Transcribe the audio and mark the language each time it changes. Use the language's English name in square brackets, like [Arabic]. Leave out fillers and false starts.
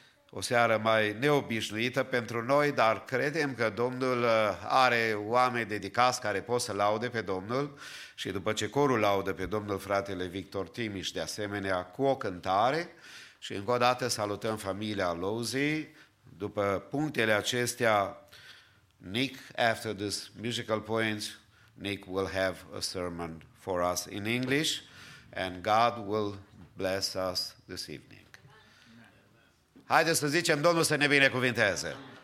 [Romanian] O seară mai neobișnuită pentru noi, dar credem că Domnul are oameni dedicați care pot să laude pe Domnul și după ce corul laudă pe Domnul, fratele Victor Timiș, de asemenea, cu o cântare și încă o dată salutăm familia Lozy. După punctele acestea, [English] Nick, after this musical point, Nick will have a sermon for us in English and God will bless us this evening. [Romanian] Haideți să zicem, Domnul să ne binecuvinteze.